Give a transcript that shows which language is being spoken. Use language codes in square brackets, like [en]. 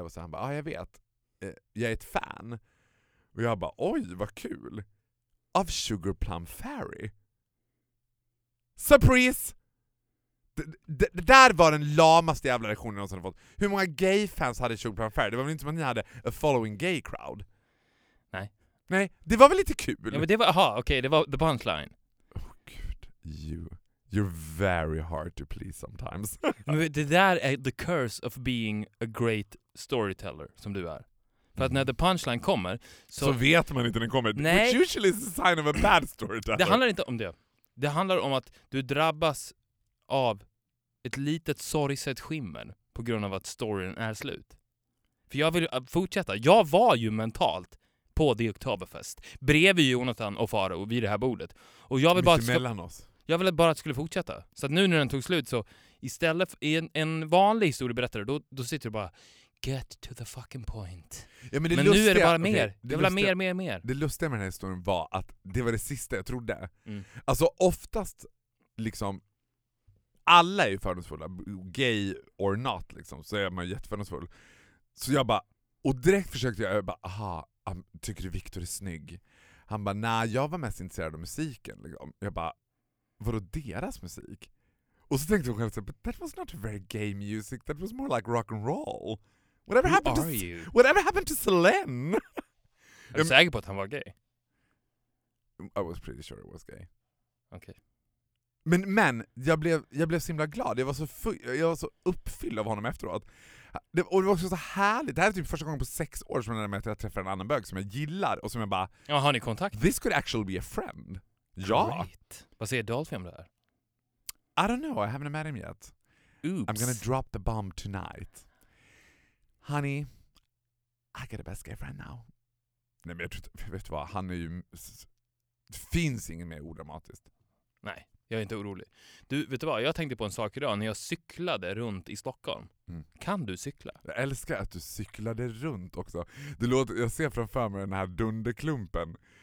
[sv] Och så han bara, ja jag vet, jag är ett fan. Och jag bara, oj vad kul. Av Sugar Plum Fairy. Surprise! Det där var den lamaste jävla reaktionen jag någonsin fått. Hur många gay fans hade Sugar Plum Fairy? Det var väl inte som att ni hade [en] a following gay crowd? [sv] Nej. Nej, det var väl lite kul? Ja men det var, aha, okej, det var [en] the punchline. [sv] Oh gud, [en] You're very hard to please sometimes. [sv] Det där är [en] the curse of being a great storyteller, [sv] som du är. För att när [en] the punchline [sv] kommer... Så vet man inte när den kommer. Nej. [en] Which usually is a sign of a bad storyteller. [sv] Det handlar inte om det. Det handlar om att du drabbas av ett litet sorgset skimmer på grund av att storyn är slut. För jag vill fortsätta. Jag var ju mentalt på det Oktoberfest. Bredvid Jonathan och Farao vid det här bordet. Och jag vill mitt bara mellan oss. Jag ville bara att det skulle fortsätta. Så att nu när den tog slut så istället för en vanlig historieberättare, då sitter du bara [en] get to the fucking point. [sv] Ja, men lustiga, nu är det bara mer. Okay, jag vill ha mer. Det lustiga med den här historien var att det var det sista jag trodde. Mm. Alltså oftast liksom alla är ju fördomsfulla, [en] gay or not [sv] liksom, så är man jättefördomsfull. Så jag bara, och direkt försökte jag bara, aha, tycker du Victor är snygg? Han bara, nej, jag var mest intresserad av musiken. Liksom. Jag bara, vadå deras musik? Och så tänkte jag själv, [en] but that was not very gay music, that was more like rock and roll. Whatever happened to Selene? [sv] Är du säker på att han var gay? [en] I was pretty sure it was gay. [sv] Okej. Men jag blev så himla glad. Jag var så uppfylld av honom efteråt. Och det var också så härligt. Det här är typ första gången på 6 år som jag träffar en annan bög som jag gillar. Och som jag bara... Ja, har ni kontakt? [en] This could actually be a friend. [sv] Ja. [en] Great. [sv] Vad säger Dolphy om det här? [en] I don't know. I haven't met him yet. Oops. I'm gonna drop the bomb tonight. Honey, I got a best gay friend now. [sv] Nej, men vet du vad? Han är ju... Det finns ingen mer odramatiskt. Nej. Jag är inte orolig. Du, vet du vad? Jag tänkte på en sak idag när jag cyklade runt i Stockholm. Mm. Kan du cykla? Jag älskar att du cyklade runt också. Det låter, jag ser framför mig den här dunderklumpen.